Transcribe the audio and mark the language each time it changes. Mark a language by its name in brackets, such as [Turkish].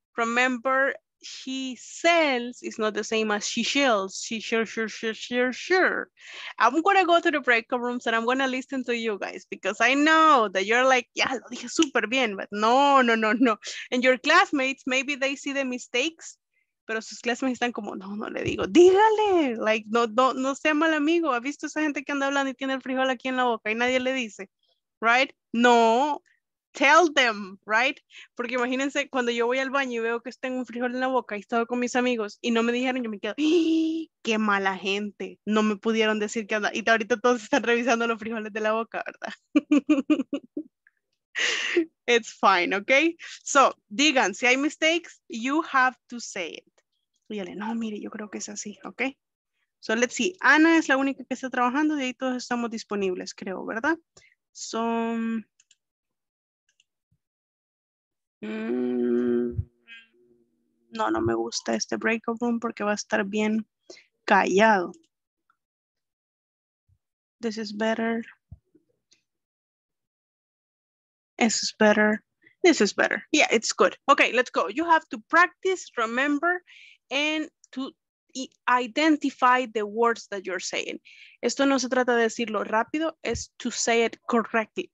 [English] Remember, she sells is not the same as she shills. She sure. I'm going to go to the breakout rooms and I'm going to listen to you guys because I know that you're like, yeah, [Spanish] lo dije super bien, [English] but no. And your classmates, maybe they see the mistakes. [Spanish] Pero sus clases están como, no le digo, dígale, like, no sea mal amigo, ha visto esa gente que anda hablando y tiene el frijol aquí en la boca y nadie le dice, right? [English] No, tell them, right? [Spanish] Porque imagínense cuando yo voy al baño y veo que tengo un frijol en la boca y estaba con mis amigos y no me dijeron, yo me quedo, qué mala gente, no me pudieron decir que anda, y ahorita todos están revisando los frijoles de la boca, ¿verdad? [English] It's fine, okay? So, [Spanish] digan, si hay [English] mistakes, you have to say it. [Spanish] Dígale, no, mire, yo creo que es así, [English] okay? So, let's see. [Spanish] Ana es la única que está trabajando, de ahí todos estamos disponibles, creo, ¿verdad? So, no me gusta este breakout room porque va a estar bien callado. [English] This is better. This is better. This is better. Yeah, it's good. Okay, let's go. You have to practice, remember, and to identify the words that you're saying. [Spanish] Esto no se trata de decirlo rápido, es [English] to say it correctly.